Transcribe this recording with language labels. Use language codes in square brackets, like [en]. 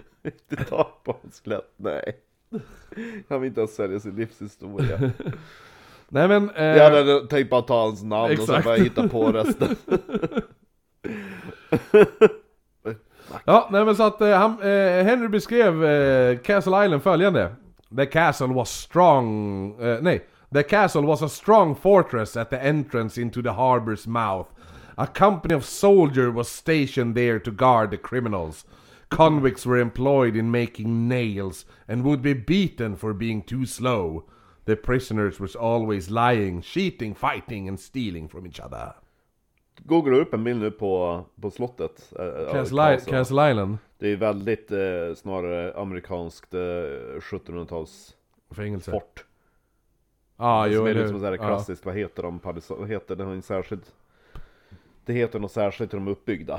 [sv] Inte tag på en sklätt, nej. Han vill inte ens sälja sin livshistoria. Nej, men jag hade tänkt bara ta hans namn. Exakt. Och så bara hitta på resten. Ja, nej, men så att Henry beskrev Castle Island följande. [en] The castle was strong. The castle was a strong fortress at the entrance into the harbor's mouth. A company of soldiers was stationed there to guard the criminals. Convicts were employed in making nails and would be beaten for being too slow. The prisoners were always lying, cheating, fighting and stealing from each other. [sv] Googla upp en bild nu på slottet. Castle Island. Det är väldigt snarare amerikanskt 1700-tals fängelse. Fort. Ah, som jo, är liksom så här klassiskt. Ah. Vad heter de? Vad heter det? Det har en särskild. Det heter något särskilt de uppbyggda.